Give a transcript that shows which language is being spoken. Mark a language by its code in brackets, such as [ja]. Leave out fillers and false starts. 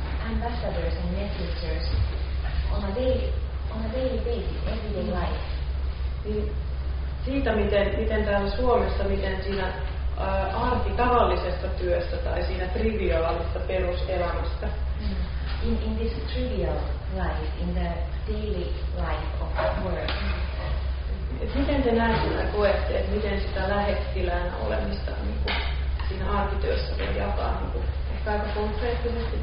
[en] Ambassadors and messengers on a daily basis, everyday life. [fi] Siitä, miten täällä Suomessa, miten siinä arkitavallisessa työssä tai siinä triviaalista peruselämästä. [en] In this trivial life, in the daily life of work. [fi] Miten te näette ja koette, että miten sitä lähettilään olemista siinä arkityössä voi jakaa ehkä aika konkreettisesti?